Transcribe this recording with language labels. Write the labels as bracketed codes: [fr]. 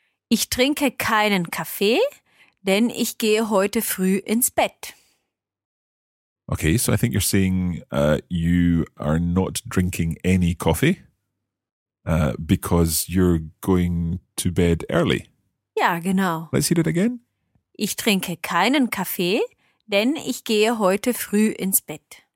[de] Ich trinke keinen Kaffee, denn ich gehe heute früh ins Bett. [en] Okay, so I think you're saying you are not drinking any coffee because you're going to bed early. [de] Ja, genau. [en] Let's hear it again. [de] Ich trinke keinen Kaffee, denn ich gehe heute früh ins Bett.